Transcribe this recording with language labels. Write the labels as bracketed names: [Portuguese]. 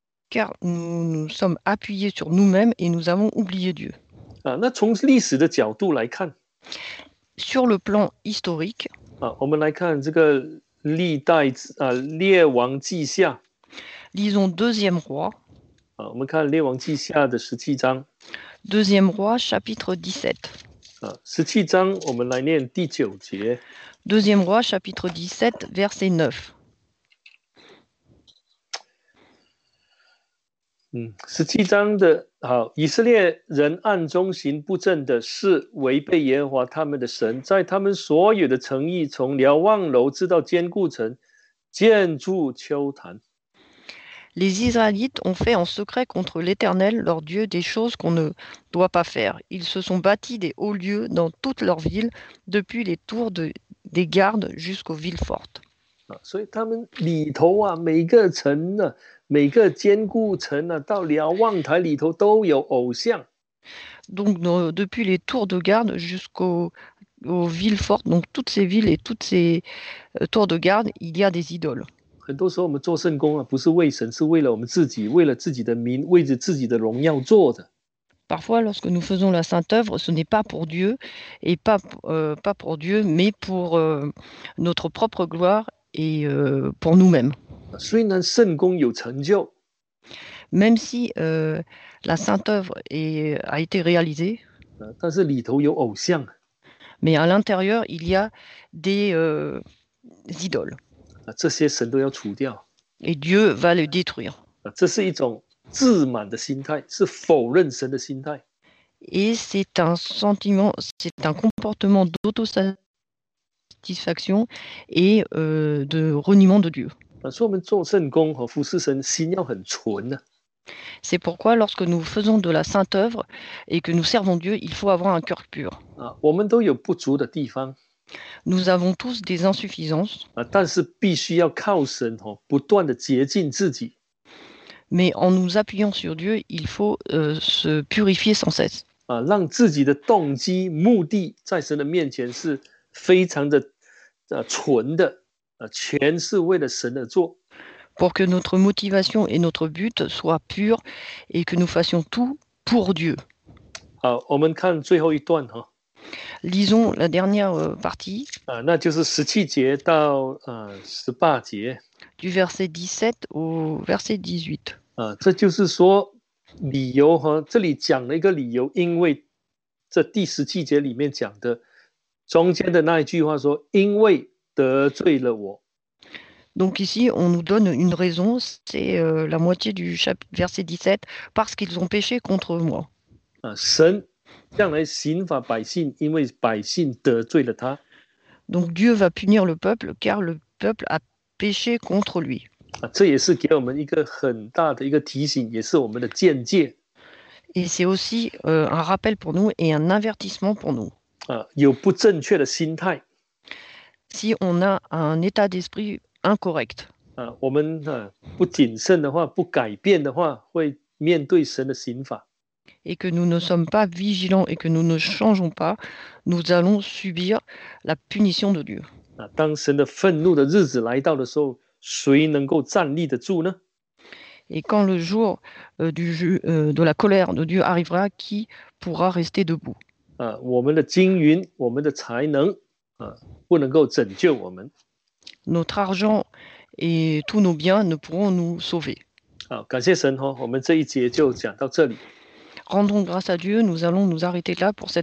[French] Car nous sommes appuyés sur nous-mêmes et nous avons oublié Dieu. [Chinese] 那从历史的角度来看 [French] ，sur le plan historique. [Chinese] 我们来看这个历代列王记下。 [French] Lisons deuxième roi. [Chinese] 我们看列王记下的十七章。 [French] Deuxième roi, chapitre 17. [Chinese] 十七章，我们来念第九节。 [French] Deuxième roi, chapitre 17, verset 9. [Chinese] 十七章的好，以色列人暗中行不正的事，违背耶和华他们的神，在他们所有的城邑，从瞭望楼直到坚固城，建筑丘坛。 [French] Les Israélites ont fait en secret contre l'Éternel, leur Dieu, des choses qu'on ne doit pas faire. Ils se sont bâtis des hauts lieux dans toutes leurs villes, depuis les tours des gardes jusqu'aux villes fortes. [Chinese] 所以他们里头啊，每个城啊，每个坚固城啊，到瞭望台里头都有偶像。 [French] Donc, depuis les tours de garde jusqu'aux villes fortes, donc toutes ces villes et toutes ces tours de garde, il y a des idoles. [Chinese] 很多时候我们做圣工啊，不是为神，是为了我们自己，为了自己的名，为着自己的荣耀做的。 [French] Parfois, lorsque nous faisons la sainte œuvre, ce n'est pas pour Dieu et pas pour Dieu, mais pour notre propre gloire et pour nous-mêmes. [Chinese] 虽然圣工有成就。 [French] Même si la sainte œuvre a été réalisée, [Chinese] 但是里头有偶像。 [French] Mais à l'intérieur, il y a des idoles. [Chinese] 这些神都要除掉。 [French] Et Dieu va les détruire. [Chinese] 这是一种自满的心态，是否认神的心态。 [French] Et c'est un sentiment, c'est un comportement d'autosatisfaction et de reniement de Dieu. [Chinese] 所以我们做圣工和服侍神，心要很纯啊。 [French] C'est pourquoi lorsque nous faisons de la sainte œuvre et que nous servons Dieu, il faut avoir un cœur pur. [Chinese] 啊，我们都有不足的地方。 [French] Nous avons tous des insuffisances. [Chinese] 啊，但是必须要靠神哦，不断的洁净自己。 [French] Mais en nous appuyant sur Dieu, il faut se purifier sans cesse. [Chinese] 啊，让自己的动机、目的在神的面前是非常的纯的。全是为了神而做。 [French] Pour que notre motivation et notre but soient purs et que nous fassions tout pour Dieu. [Chinese] 好，我们看最后一段哈。 [French] Lisons la dernière partie. [Chinese] 啊，那就是十七节到十八节。 [French] Du verset 17 au verset 18. [Chinese] 啊，这就是说理由哈，这里讲了一个理由，因为这第十七节里面讲的中间的那一句话说，因为。得罪了我。 [French] Donc ici, on nous donne une raison, c'est la moitié du verset 17, parce qu'ils ont péché contre moi. [Chinese] 啊，神将来刑罚百姓，因为百姓得罪了他。 [French] Donc Dieu va punir le peuple, car le peuple a péché contre lui. [Chinese] 啊，这也是给我们一个很大的一个提醒，也是我们的见解。 [French] Et c'est aussi un rappel pour nous et un avertissement pour nous. [Chinese] 啊，有不正确的心态。 [French] Si on a un état d'esprit incorrect, [Chinese] 啊，我们不谨慎的话，不改变的话，会面对神的刑罚。 [French] Et que nous ne sommes pas vigilants et que nous ne changeons pas, nous allons subir la punition de Dieu. [Chinese] 啊，当神的愤怒的日子来到的时候，谁能够站立得住呢？ [French] Et quand le jour de la colère de Dieu arrivera, qui pourra rester debout? [Chinese] 啊，我们的金银，我们的才能。不能够拯救我们。 [French] Notre argent et tous nos biens ne pourront nous sauver. [Chinese] 好，感谢神哦，我们这一节就讲到这里。 [French] Rendons grâce à Dieu, nous allons nous arrêter là pour cette